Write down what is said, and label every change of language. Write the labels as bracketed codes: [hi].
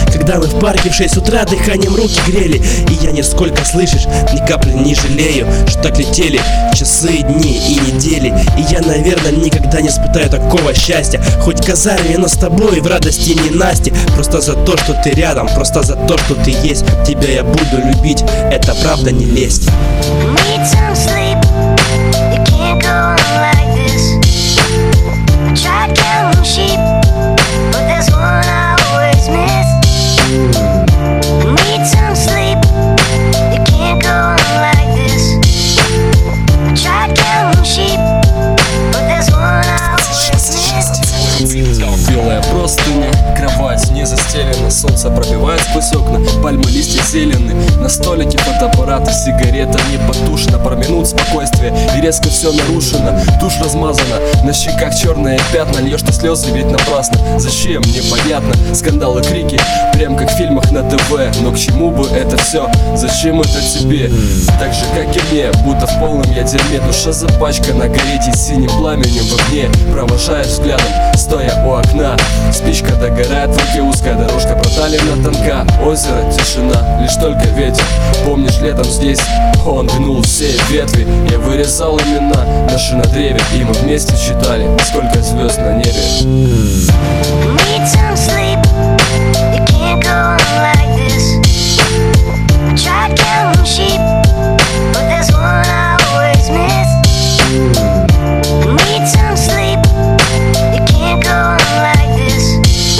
[ru] Когда мы в парке в 6 утра дыханием руки грели. И я нисколько, слышишь, ни капли не жалею, что так летели часы, дни и недели. И я, наверное, никогда не испытаю такого счастья. Хоть казарме, но с тобой в радости не Насте. Просто за то, что ты рядом, просто за то, что ты есть. Тебя я буду любить, это правда не лесть. [en] Need some sleep, you can't go on like this. I tried counting sheep, but there's one I always miss. Need some sleep, you can't go on like this. I tried counting sheep, but there's one I always miss. [ru] Белая простыня, кровать не застелена. Солнце пробивает сквозь окна, пальмы, листья зелены. На столике фотоаппарат и сигарета не потушена. Пару минут спокойствия, и резко все нарушено. Тушь размазана, на щеках черные пятна. Льешь ты слезы, ведь напрасно. Зачем, непонятно. Скандалы, крики, прям как в фильмах на ТВ. Но к чему бы это все, зачем это тебе? Так же, как и мне, будто в полном я дерьме. Душа запачкана, горит синим пламенем во мне. Провожаешь взглядом, стоя у окна. Спичка догорает в руке, узкая дорожка проталина тонка. Озеро, тишина, лишь только ветер. Помнишь, летом здесь он гнул все ветви. Я вырезал имена наши на древе, и мы вместе считали, сколько звезд на небе. [en] Need some sleep, you can't go on like this. I tried counting sheep, but there's one I always miss. Need some sleep, you can't go on like this.